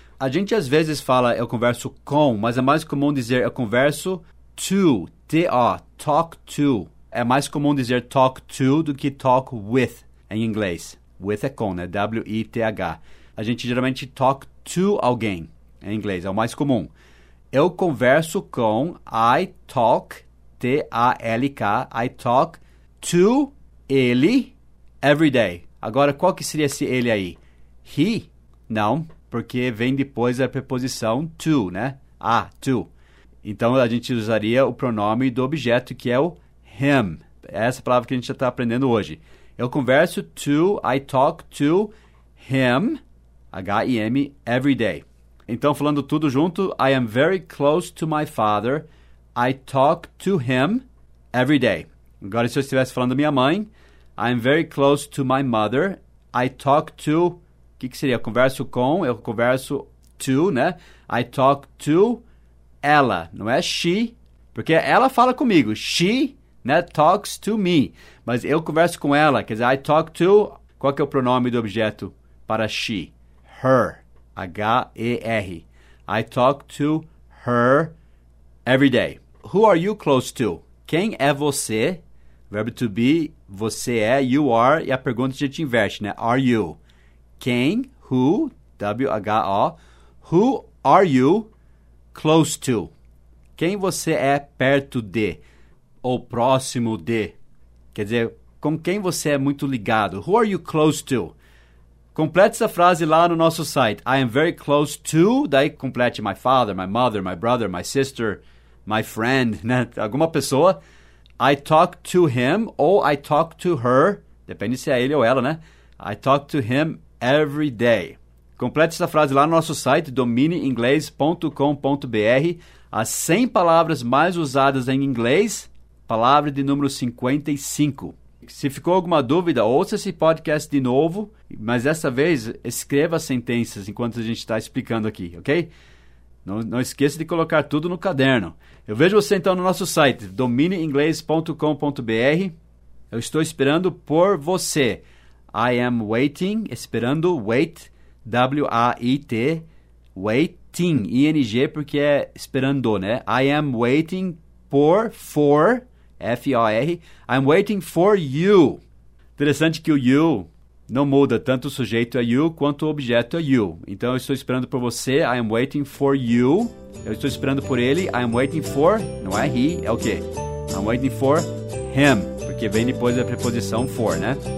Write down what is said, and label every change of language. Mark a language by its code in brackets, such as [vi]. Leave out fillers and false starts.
[pt] A gente às vezes fala eu converso com, mas é mais comum dizer eu converso to, T-O, talk to. É mais comum dizer talk to do que talk with em inglês. With é com, né? W-I-T-H. A gente geralmente talk to alguém em inglês, é o mais comum. Eu converso com, [en] I talk, T-A-L-K, I talk to ele every day. [pt] Agora, qual que seria esse ele aí? He? Não, porque vem depois da preposição to, né? Ah, to. Então, a gente usaria o pronome do objeto, que é o him. Essa palavra que a gente já está aprendendo hoje. Eu converso [en] to, I talk to him, H-I-M, every day. [pt] Então, falando tudo junto, [en] I am very close to my father, I talk to him every day. [pt] Agora, se eu estivesse falando da minha mãe, [en] I am very close to my mother, I talk to... [pt] O que seria? Eu converso com, eu converso to, né? [en] I talk to [pt] ela, não é she, porque ela fala comigo. She, né, [en] talks to me. [pt] Mas eu converso com ela, quer dizer, [en] I talk to, [pt] qual que é o pronome do objeto para she? [en] Her, H-E-R. I talk to her every day. Who are you close to? [pt] Quem é você? Verbo to be, você é, [en] you are, [pt] e a pergunta a gente inverte, né? [en] Are you? Quem, who, W-H-O, who are you close to? [pt] Quem você é perto de ou próximo de? Quer dizer, com quem você é muito ligado? [en] Who are you close to? [pt] Complete essa frase lá no nosso site. [en] I am very close to, [pt] daí complete [en] my father, my mother, my brother, my sister, my friend, né? [pt] Alguma pessoa. [en] I talk to him or I talk to her, [pt] depende se é ele ou ela, né? [en] I talk to him every day. [pt] Complete essa frase lá no nosso site, domineinglês.com.br. As 100 palavras mais usadas em inglês, palavra de número 55. Se ficou alguma dúvida, ouça esse podcast de novo, mas dessa vez escreva as sentenças enquanto a gente está explicando aqui, ok? Não esqueça de colocar tudo no caderno. Eu vejo você então no nosso site, domineinglês.com.br. Eu estou esperando por você. [en] I am waiting, esperando, wait, W-A-I-T, waiting, I-N-G, [pt] porque é esperando, né? [en] I am waiting for, F-O-R, I'm waiting for you. [pt] Interessante que o you não muda, tanto o sujeito é you, quanto o objeto é you. Então, eu estou esperando por você, [en] I'm waiting for you. [pt] Eu estou esperando por ele, [en] I'm waiting for, [pt] não é he, é o quê? [en] I'm waiting for him, [pt] porque vem depois da preposição for, né?